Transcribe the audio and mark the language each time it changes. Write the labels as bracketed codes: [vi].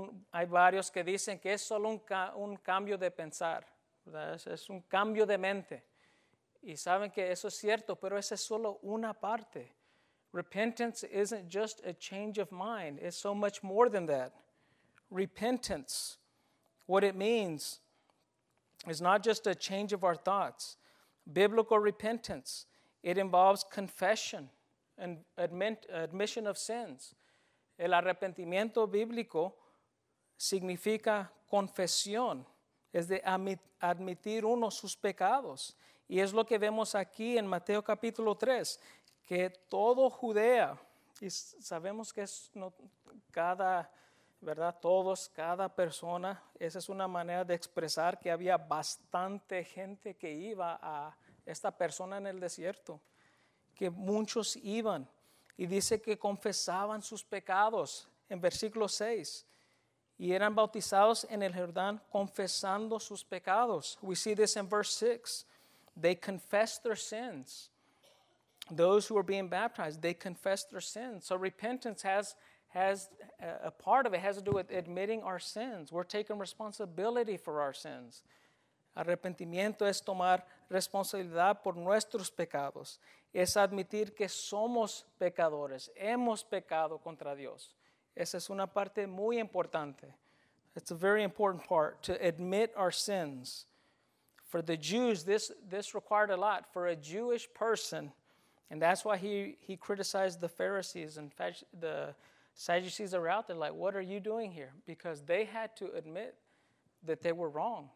[es] Hay varios que dicen que es solo un cambio de pensar, es un cambio de mente. Y saben que eso es cierto, pero esa es solo una parte. [en] Repentance isn't just a change of mind. It's so much more than that. Repentance, what it means, is not just a change of our thoughts. Biblical repentance, it involves confession and admission of sins. [es] El arrepentimiento bíblico significa confesión. Es de admitir uno sus pecados. Y es lo que vemos aquí en Mateo capítulo 3. Que todo Judea, y sabemos que es no, cada, ¿verdad? Todos, cada persona, esa es una manera de expresar que había bastante gente que iba a esta persona en el desierto, que muchos iban, y dice que confesaban sus pecados en versículo 6, y eran bautizados en el Jordán confesando sus pecados. [en] We see this in verse 6. They confess their sins. Those who are being baptized, they confess their sins. So repentance has a part of it has to do with admitting our sins. We're taking responsibility for our sins. [es] Arrepentimiento es tomar responsabilidad por nuestros pecados. Es admitir que somos pecadores. Hemos pecado contra Dios. Esa es una parte muy importante. [en] It's a very important part, to admit our sins. For the Jews, this required a lot. For a Jewish person, and that's why he criticized the Pharisees and the Sadducees that were out there, like, what are you doing here? Because they had to admit that they were wrong.